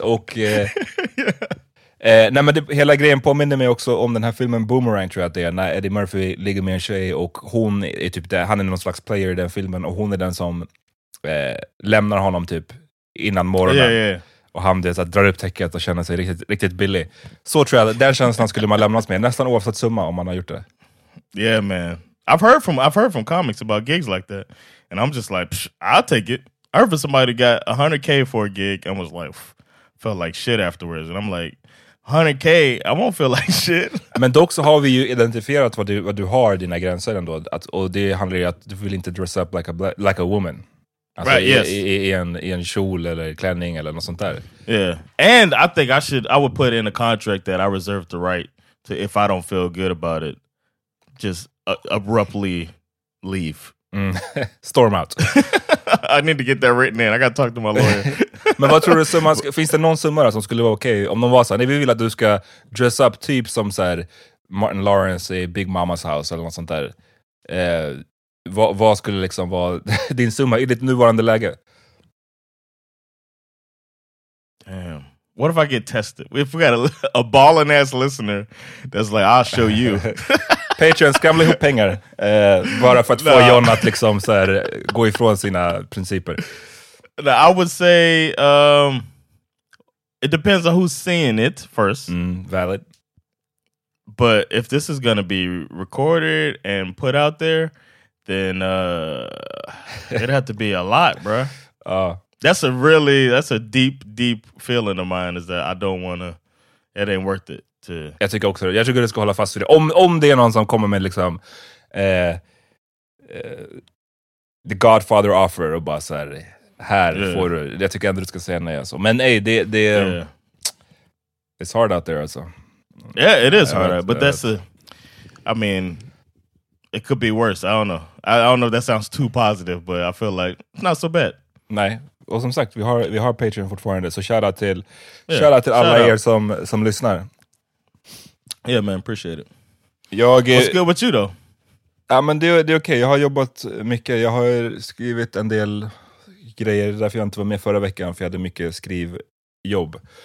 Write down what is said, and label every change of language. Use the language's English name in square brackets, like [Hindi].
[Swedish] Och nej, men det, hela grejen påminner mig också om den här filmen Boomerang, tror jag att det är, när Eddie Murphy ligger med en tjej och hon är typ där, han är någon slags player i den filmen, och hon är den som lämnar honom typ innan morgonen. Och han det, så här, drar upp täcket och känner sig riktigt, riktigt billig. Så tror jag, den känslan skulle man lämnas med nästan oavsett summa om man har gjort det. [English] Yeah man, I've heard from comics about gigs like that, and I'm just like, I'll take it. I heard from somebody got 100k for a gig and was like, felt like shit afterwards, and I'm like, 100k, I won't feel like shit. [Swedish] Men dock så har vi ju identifierat vad du har dina gränser ändå. Att, och det handlar ju att du vill inte [English] dress up like a woman. [Swedish] Alltså right, i en kjol eller klänning eller något sånt där. [English] Yeah. And I think I would put in a contract that I reserve the right to, if I don't feel good about it, just abruptly leave. Mm. Storm out. I need to get that written in. I gotta talk to my lawyer. [Swedish] Men vad tror du, finns det någon summa som skulle vara okej? Okay, om de var så här, nej, vi vill att du ska [English] dress up [Swedish] typ som så här Martin Lawrence i Big Mama's House eller något sånt där. Vad skulle liksom vara din summa i ditt nuvarande läge? [English] Damn. What if I get tested? If we got a ballin' ass listener that's like, I'll show you. [Swedish] Patreon, skramla ihop pengar. Bara för att få John att liksom så här, gå ifrån sina principer. [English] I would say it depends on who's seeing it first. Mm, valid. But if this is gonna be recorded and put out there, then it'd have to be a lot, bro. That's a deep feeling of mine, is that I don't wanna, it ain't worth it to. [Swedish] Jag tycker också, jag tycker du ska hålla fast vid det. Om det är någon som kommer med liksom The Godfather offer och bara såhär, här får du, jag tycker ändå du ska säga nej alltså. Men ej, det är [English] it's hard out there [Swedish] alltså. [English] Yeah, it is hard, but that's a, I mean, it could be worse, I don't know. I don't know if that sounds too positive, but I feel like it's not so bad. [Swedish] Nej, och som sagt, vi har Patreon fortfarande, så shout out till alla er som lyssnar. [English] Yeah man, appreciate it. What's good with you though? [Swedish] Ja men det är okej, jag har jobbat mycket, jag har skrivit en del grejer, därför jag inte var med förra veckan, för jag hade mycket skrivjobb.